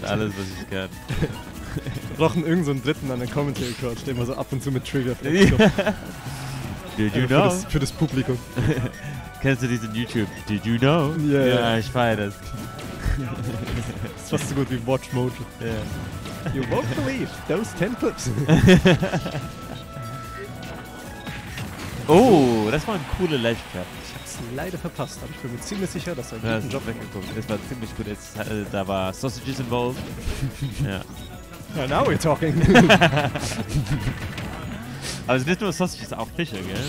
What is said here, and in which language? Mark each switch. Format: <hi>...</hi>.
<de>Das alles, was ich kann. Wir brauchen irgendeinen dritten an den Commentary Code, den wir so ab und zu mit Trivia</de> <en>Did you also know?</en> <de>Für das Publikum. Kennst du diesen YouTube?</de> <en>Did you know?</en> <de>Ja, ich feiere das. Das ist fast so gut wie Watch Mojo.</de> <en>Yeah. You won't believe those 10 clips.</en> <de>Oh, das war ein cooler Ledge Trap. Ich hab's leider verpasst, aber ich bin mir ziemlich sicher, dass er einen guten Job weggeguckt. Es war ziemlich gut. Da war Sausages involved.</de> <en>Yeah, now we're talking.</en> <de>Aber es ist nicht nur Sausages, auch Fische, gell?</de>